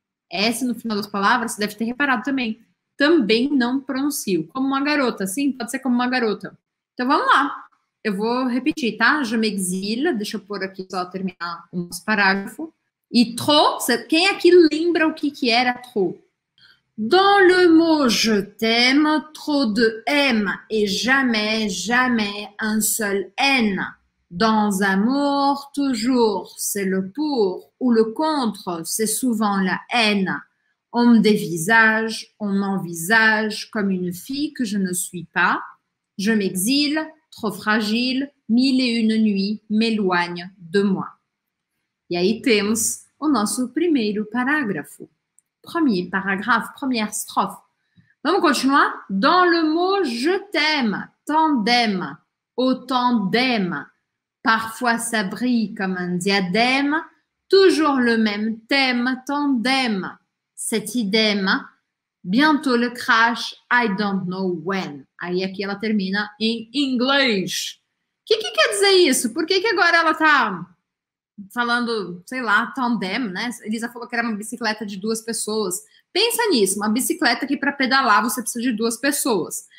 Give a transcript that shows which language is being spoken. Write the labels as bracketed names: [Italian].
[Portuguese] S no final das palavras, você deve ter reparado também. Também não pronuncio, como uma garota, sim, pode ser como uma garota. Então, vamos lá. Eu vou repetir, tá? [French] Je m'exile. [Portuguese] Deixa eu pôr aqui só terminar um parágrafo. E trop, quem aqui lembra o que era trop? [French] Dans le mot je t'aime, trop de M et jamais, jamais un seul N. Dans amour, toujours, c'est le pour ou le contre, c'est souvent la haine. On me dévisage, on m'envisage comme une fille que je ne suis pas. Je m'exile. Trop fragile, mille et une nuits m'éloigne de moi. [Portuguese] E aí temos o nosso primeiro parágrafo. [French] Premier paragraphe, première strophe. [Portuguese] Vamos continuar? [French] Dans le mot je t'aime, tant d'aime, autant d'aime. Parfois ça brille comme un diadème, toujours le même thème, tant d'aime. Cet idem, bientôt le crash, [English] I don't know when. [Portuguese] Aí aqui ela termina em inglês. O que, que quer dizer isso? Por que, que agora ela tá falando, sei lá, tandem, né? Elisa falou que era uma bicicleta de duas pessoas. Pensa nisso, uma bicicleta que para pedalar você precisa de duas pessoas.